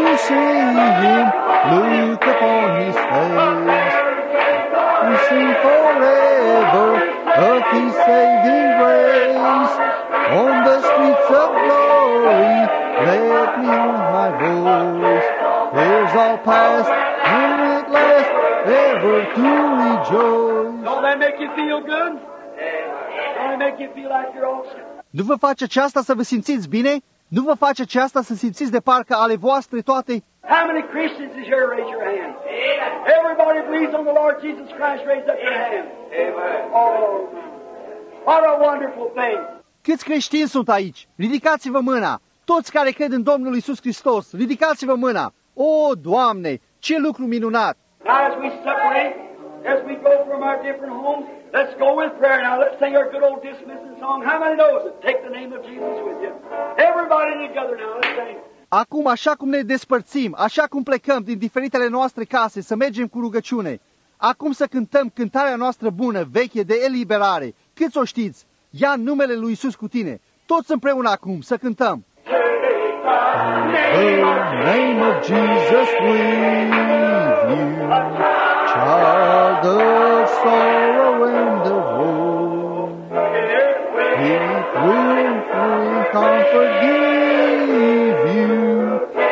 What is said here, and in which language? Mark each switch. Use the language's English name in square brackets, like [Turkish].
[English] See him look upon his face, sing forever of his saving grace. On the streets of glory, let me hear my voice. There's all past and at last ever to rejoice. Don't that make you feel good? Don't that make you feel like you're awesome? [Romanian] Nu vă face aceasta să vă simțiți bine? Nu vă face aceasta să simțiți de parcă ale voastre toate? [English] How many Christians is here? Raise your hand. Everybody believes on the Lord Jesus Christ. Raise up your hand. Amen. Oh, what a wonderful thing. [Romanian] Câți creștini sunt aici? Ridicați-vă mâna. Toți care cred în Domnul Iisus Hristos, ridicați-vă mâna. O, Doamne, ce lucru minunat! [English] Now as we separate, as we go from our different homes, let's go with prayer now. Let's sing our good old dismissing song. How many knows it? Take the name of Jesus with you. Everybody together now, let's sing. [Romanian] Acum, așa cum ne despărțim, așa cum plecăm din diferitele noastre case, să mergem cu rugăciune, acum să cântăm cântarea noastră bună, veche, de eliberare. Cât o știți? Ia numele lui Iisus cu tine. Toți împreună acum, să cântăm. [English] The name of Jesus with you, child of sorrow and of woe. It will bring comfort, give you.